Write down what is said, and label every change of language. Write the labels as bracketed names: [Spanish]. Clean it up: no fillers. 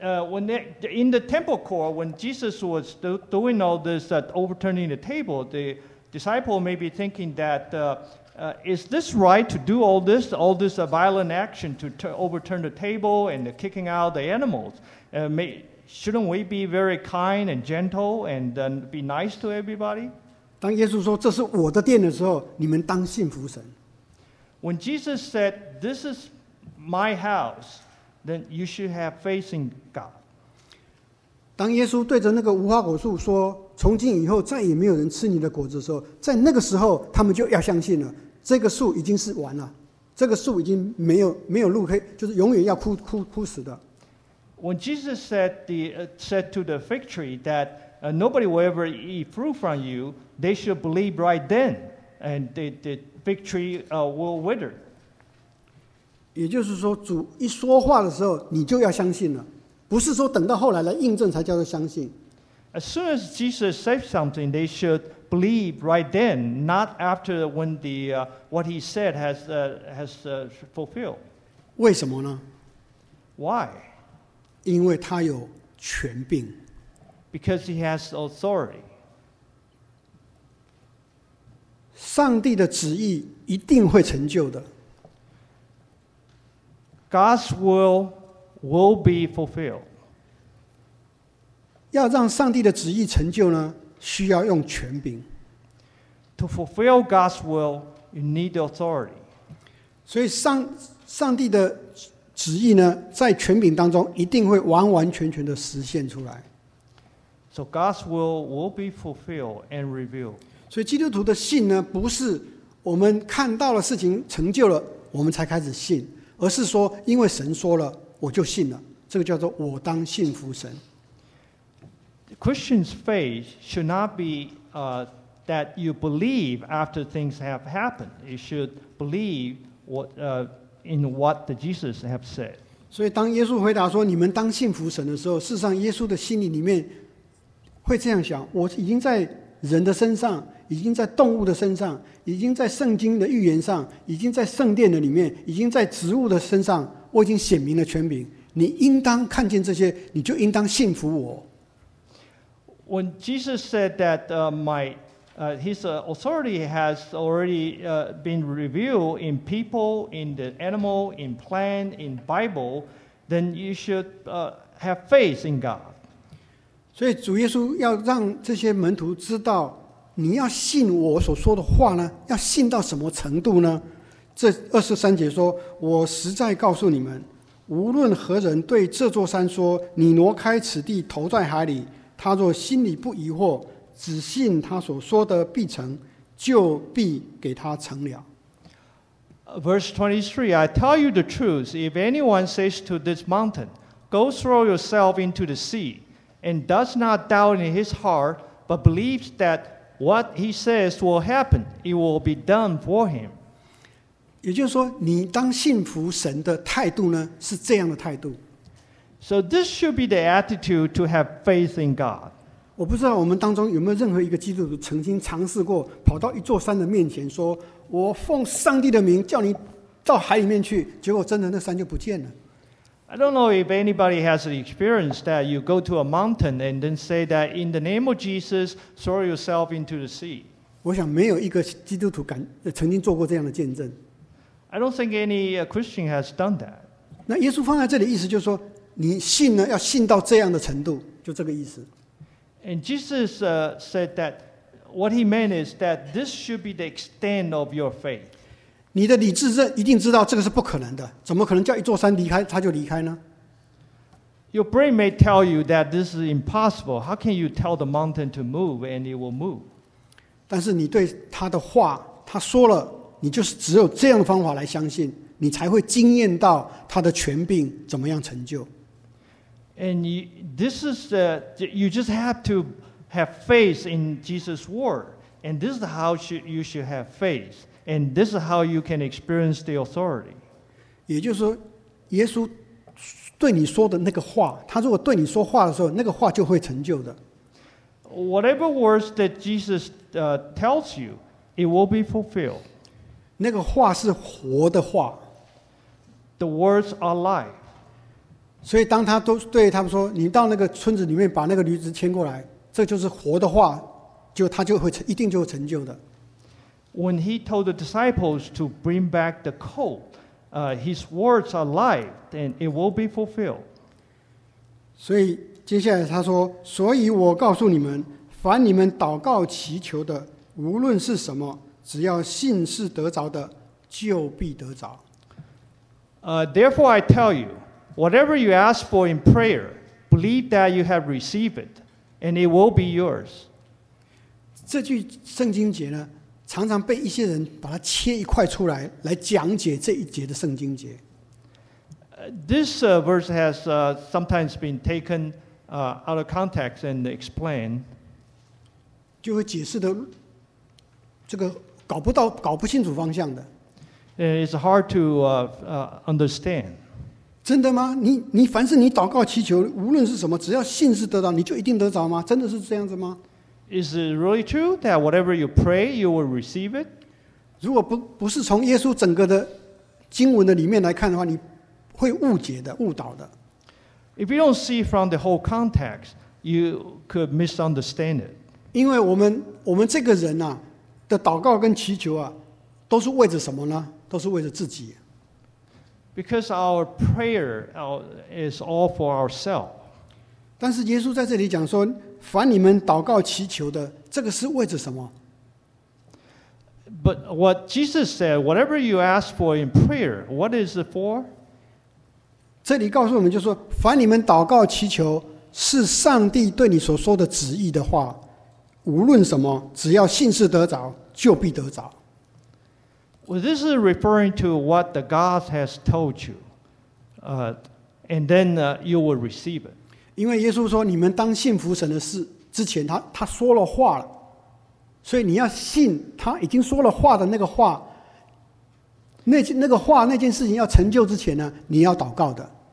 [English] When in the temple court, when Jesus was doing all this, overturning the table, the disciple may be thinking that, is this right to do all this violent action to overturn the table and the kicking out the animals? Shouldn't we be very kind and gentle and then be nice to everybody? [Chinese] 当耶稣说这是我的殿的时候，你们当信服神。 [English] When Jesus said, this is my house, then you should have faith in God. [Chinese] 当耶稣对着那个无花果树说，从今以后再也没有人吃你的果子的时候，在那个时候他们就要相信了。这个树已经是完了，这个树已经没有路可以，就是永远要枯死的。 [English] When Jesus said said to the fig tree that nobody will ever eat fruit from you, they should believe right then, and the fig tree will wither. [Chinese] 也就是说，主一说话的时候，你就要相信了，不是说等到后来来印证才叫做相信。 [English] As soon as Jesus said something, they should. Believe right then, not after when the what he said has fulfilled. [Chinese] 为什么呢？ [English] Why? [Chinese] 因为他有权柄。 [English] Because he has authority. [Chinese] 上帝的旨意一定会成就的。 [English] God's will will be fulfilled. [Chinese] 要让上帝的旨意成就呢，需要用权柄。 [English] To fulfill God's will, you need authority. [Chinese] 所以上帝的旨意呢，在权柄当中一定会完完全全的实现出来。 [English] So God's will be fulfilled and revealed. [Chinese] 所以基督徒的信呢，不是我们看到了事情成就了，我们才开始信，而是说因为神说了，我就信了。这个叫做我当信服神。 [English] The Christian's faith should not be that you believe after things have happened. You should believe in what the Jesus have said. [Chinese] 所以当耶稣回答说你们当信服神的时候，事实上耶稣的心里面会这样想，我已经在人的身上，已经在动物的身上，已经在圣经的预言上，已经在圣殿的里面，已经在植物的身上，我已经显明了权柄，你应当看见这些，你就应当信服我。 [English] When Jesus said that his authority has already been revealed in people, in the animal, in plant, in Bible, then you should have faith in God. [Chinese] 所以主耶稣要让这些门徒知道，你要信我所说的话呢，要信到什么程度呢？这二十三节说，我实在告诉你们，无论何人对这座山说，你挪开此地投在海里，他若心里不疑惑，只信他所说的必成，就必给他成了。 [English] Verse 23, I tell you the truth, if anyone says to this mountain, go throw yourself into the sea, and does not doubt in his heart, but believes that what he says will happen, it will be done for him. [Chinese] 也就是说，你当信服神的态度呢，是这样的态度。 [English] So this should be the attitude to have faith in God. [Chinese] 我不知道我们当中有没有任何一个基督徒曾经尝试过跑到一座山的面前说，我奉上帝的名叫你到海里面去，结果真的那山就不见了。 [English] I don't know if anybody has the experience that you go to a mountain and then say that in the name of Jesus, throw yourself into the sea. [Chinese] 我想没有一个基督徒曾经做过这样的见证。 [English] I don't think any Christian has done that. [Chinese] 那耶稣放在这里意思就是说，你信呢，要信到这样的程度，就这个意思。 [English] And Jesus said that what he meant is that this should be the extent of your faith. [Chinese] 你的理智一定知道这个是不可能的，怎么可能叫一座山离开他就离开呢？ [English] Your brain may tell you that this is impossible. How can you tell the mountain to move and it will move? [Chinese] 但是你对他的话，他说了，你就是只有这样的方法来相信，你才会经验到他的权柄怎么样成就。 [English] And you just have to have faith in Jesus' word, and this is how you should have faith. And this is how you can experience the authority. [Chinese] 也就是说，耶稣对你说的那个话，他如果对你说话的时候，那个话就会成就的。 [English] Whatever words that Jesus tells you, it will be fulfilled. [Chinese] 那个话是活的话。 [English] The words are life. [Chinese] 所以当他都对他们说，你到那个村子里面把那个驴子牵过来，这就是活的话，就他就会一定就会成就的。 [English] When he told the disciples to bring back the colt, his words are life, and it will be fulfilled. [Chinese] 所以接下来他说，所以我告诉你们，凡你们祷告祈求的，无论是什么，只要信是得着的，就必得着。 [English] Therefore I tell you, whatever you ask for in prayer, believe that you have received it, and it will be yours. [Chinese] 这句圣经节呢，常常被一些人把它切一块出来来讲解这一节的圣经节。 [English] This verse has sometimes been taken out of context and explained. [Chinese] 就会解释的这个搞不清楚方向的。 [English] It's hard to understand. [Chinese] 真的吗？你凡是你祷告祈求，无论是什么，只要信是得到，你就一定得着吗？真的是这样子吗？ [English] Is it really true that whatever you pray, you will receive it? [Chinese] 如果不是从耶稣整个的经文的里面来看的话，你会误解的、误导的。 [English] If you don't see from the whole context, you could misunderstand it. [Chinese] 因为我们这个人啊的祷告跟祈求啊，都是为着什么呢？都是为着自己。 [English] Because our prayer is all for ourselves. [Chinese] 但是耶稣在这里讲说，凡你们祷告祈求的，这个是为着什么？ [English] But what Jesus said, whatever you ask for in prayer, what is it for? [Chinese] 这里告诉我们就是说，凡你们祷告祈求，是上帝对你所说的旨意的话，无论什么，只要信是得着，就必得着。 [English] Well, this is referring to what the God has told you, and then you will receive it. [Chinese] 因为耶稣说，你们当信服神的事之前，他说了话了，所以你要信他已经说了话的那个话，那个话那件事情要成就之前呢，你要祷告的。